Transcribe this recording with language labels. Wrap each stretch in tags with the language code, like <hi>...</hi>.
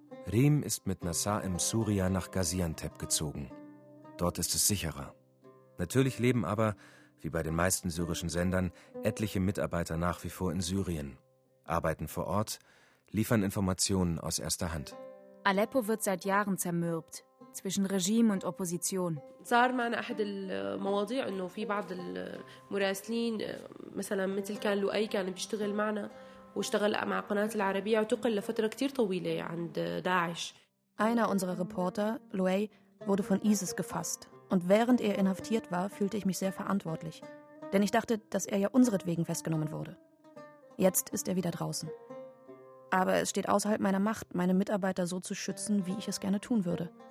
<de>Reem ist mit Nassim Surya nach Gaziantep gezogen. Dort ist es sicherer. Natürlich leben aber, wie bei den meisten syrischen Sendern, etliche Mitarbeiter nach wie vor in Syrien, arbeiten vor Ort, liefern Informationen aus erster Hand. Aleppo wird seit Jahren zermürbt zwischen Regime und Opposition.</de> <ar>صار معنا أحد المواضيع إنه في بعض المراسلين مثلاً مثل كان لؤي كان بيشتغل معنا واشتغل مع قناة العربية اعتقل لفترة كتير طويلة عند داعش.</ar> <de>Einer unserer Reporter, Lui, wurde von ISIS gefasst und während er inhaftiert war, fühlte ich mich sehr verantwortlich, denn ich dachte, dass er ja unseretwegen festgenommen wurde. Jetzt ist er wieder draußen. Aber es steht außerhalb meiner Macht, meine Mitarbeiter so zu schützen, wie ich es gerne tun würde.</de>